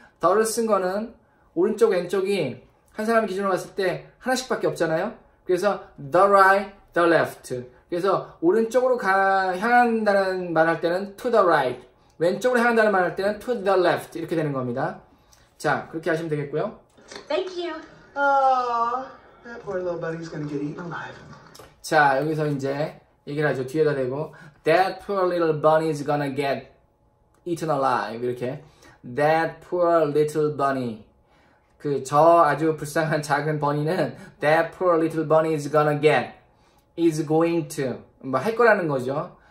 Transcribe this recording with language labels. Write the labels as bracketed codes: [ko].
[ko] 더를 쓴 거는 오른쪽 왼쪽이 한 사람 기준으로 봤을 때 하나씩밖에 없잖아요. 그래서 [en] the right, the left. [ko] 그래서 오른쪽으로 향한다는 말할 때는 [en] to the right. [ko] 왼쪽으로 향한다는 말할 때는 [en] to the left. [ko] 이렇게 되는 겁니다. 자, 그렇게 하시면 되겠고요. [en] Thank you. Oh, that poor little bunny's gonna get eaten alive. [ko] 자, 여기서 이제 얘기를 하죠. 뒤에다 대고 [en] That poor little bunny is gonna get eaten alive. 이렇게 That poor little bunny. [ko] 그 저 아주 불쌍한 작은 버니는 [en] That poor little bunny is gonna get is going to [ko] 뭐 할 거라는 거죠.